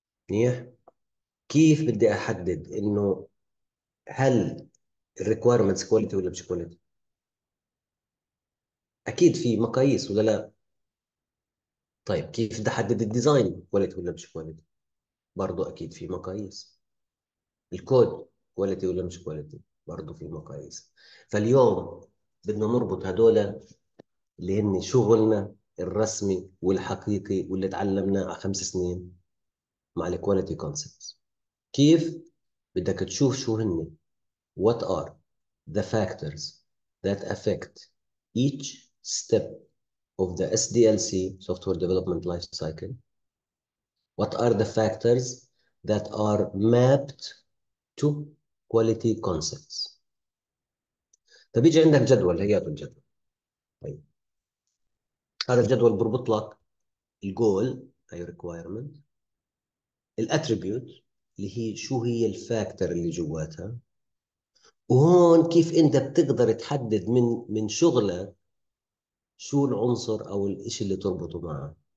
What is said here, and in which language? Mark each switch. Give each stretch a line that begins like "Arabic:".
Arabic: منيح، كيف بدي احدد انه هل الريكويرمنتس كواليتي ولا مش كواليتي؟ اكيد في مقاييس ولا لا؟ طيب كيف بدي احدد الديزاين كواليتي ولا مش كواليتي؟ برضه اكيد في مقاييس. الكود كواليتي ولا مش كواليتي؟ برضه في مقاييس. فاليوم بدنا نربط هدول اللي هن شغلنا الرسمي والحقيقي واللي تعلمناه على 5 سنين مع الكواليتي كونسبتس. كيف بدك تشوف شو هن؟
English: What are the factors that affect each step of the SDLC Software Development Life Cycle? What are the factors that are mapped to quality concepts?
Arabic: فبيجي عندك جدول، هيات الجدول. طيب هذا الجدول بربط لك الجول اي ريكوايرمنت، الاتريبيوت اللي هي شو هي الفاكتور اللي جواتها، وهون كيف انت بتقدر تحدد من شغله شو العنصر او الاشي اللي تربطه معه.